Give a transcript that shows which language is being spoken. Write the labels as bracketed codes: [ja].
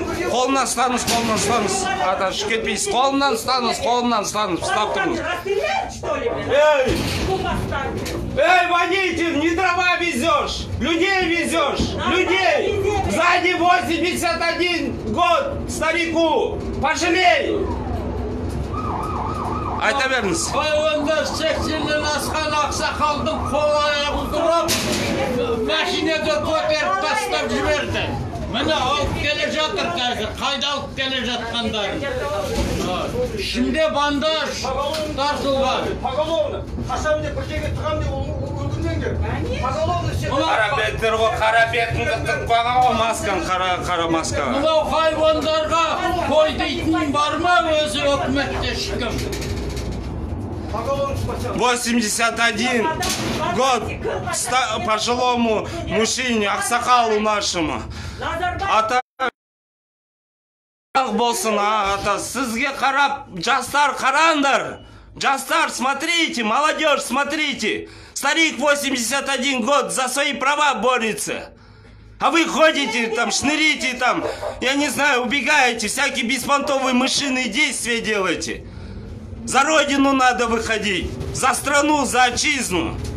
[kk] қолымнан ұстаңыз, қолымнан ұстаңыз, ата шық кетпейсіз, қолымнан ұстаңыз, ұстап тұрыңыз. [ru] Эй, водитель, не дрова везешь, людей везешь, людей. Сзади 81 год старику, пожалей. [kk] Айта беріңіз. Айуанда 80-ден асқан ақсақалдың қол аяғын тұрып, машинеге көтеріп тастап жіберді. Міне алып келе жатыр қазір, қайда алып келе жатқандарын. Ішінде бандаж тартылған. Қарабеттер ғой, қарабетіңді тұрып қалған ғой масканы, қара масканы. Мынау хайуандарға қой дейтінің бар ма өзі өкіметте шығым? [ru] 81 год пожилому мужчине, ақсақалу нашему. [kk] Ата, ақ болсын, ата, сізге қарап, жастар қарандар. Жастар, [ru] смотрите, молодежь, смотрите. Старик 81 год за свои права борется. А вы ходите там, шнырите там, я не знаю, убегаете, всякие беспонтовые мышиные действия делаете. За родину надо выходить, за страну, за отчизну.